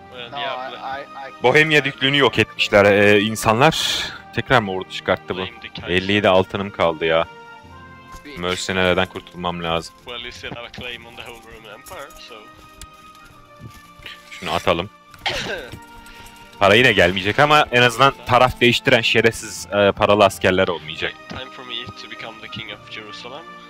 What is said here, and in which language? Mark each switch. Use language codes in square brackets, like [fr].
[en] No, yeah, [tr] Bohemia düklüğünü yok etmişler insanlar. Tekrar mı ordu çıkarttı bu? 57 altınım kaldı ya. Mercenelerden kurtulmam lazım. [en] Well, you still have a claim on the whole Roman Empire, so... [tr] Şunu atalım. Para yine gelmeyecek ama en azından taraf değiştiren şerefsiz paralı askerler olmayacak. [en] Time for me to become the king of Jerusalem.